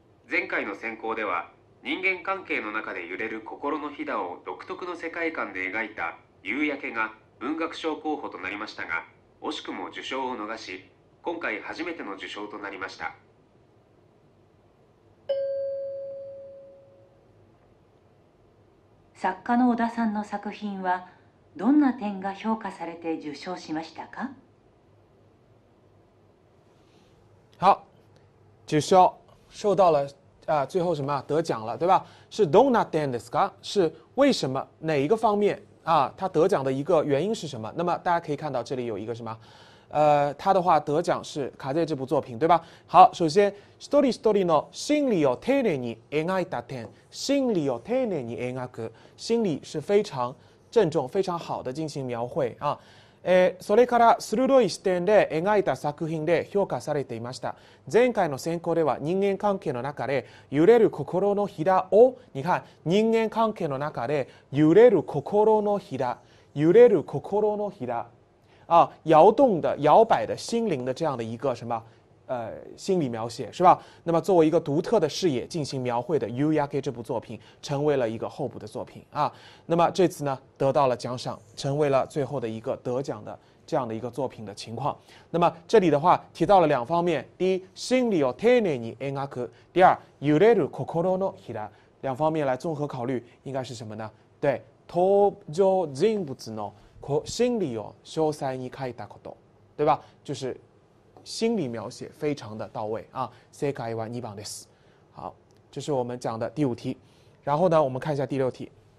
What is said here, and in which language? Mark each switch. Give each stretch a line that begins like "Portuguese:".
Japanese: 前回の選考では人間関係の中で揺れる心のひだを独特の世界観で描いた夕焼けが文学賞候補となりましたが、惜しくも受賞を逃し、今回初めての受賞となりました。作家の小田さんの作品はどんな点が評価されて受賞しましたか？
Chinese: 好，受賞、受到了、最後什麼、得獎了、对吧？是
Japanese: どんな点ですか？
Chinese: 是为什么、哪一个方面、他得獎的一个原因是什么？那么大家可以看到这里有一个什么、他的话得奖是《風》这部作品，对吧？好，首先
Japanese: 一人一人の心理を丁寧に描いた点，心理を丁寧に描く，
Chinese: 心理是非常郑重、非常好的进行描绘啊。
Japanese: それから鋭い視点で描いた作品で評価されていました。前回の選考では人間関係の中で揺れる心のひだを、
Chinese: 你看，
Japanese: 人間関係の中で揺れる心のひだ、揺れる心のひだ。
Chinese: 啊，摇动的、摇摆的心灵的这样的一个什么，心理描写是吧？那么作为一个独特的视野进行描绘的《夕焼け》这部作品，成为了一个候补的作品啊。那么这次呢，得到了奖赏，成为了最后的一个得奖的这样的一个作品的情况。那么这里的话提到了两方面：第一，
Japanese: 心理を丁寧に描く；
Chinese: 第二，
Japanese: 揺れる心のひだ。
Chinese: 两方面来综合考虑，应该是什么呢？
Japanese: 对，登場人物の心理を詳細に書いたこと，
Chinese: 对吧？就是心理描写非常的到位啊。
Japanese: 正解は2番です。
Chinese: 好，这是我们讲的第五题。然后呢，我们看一下第六题。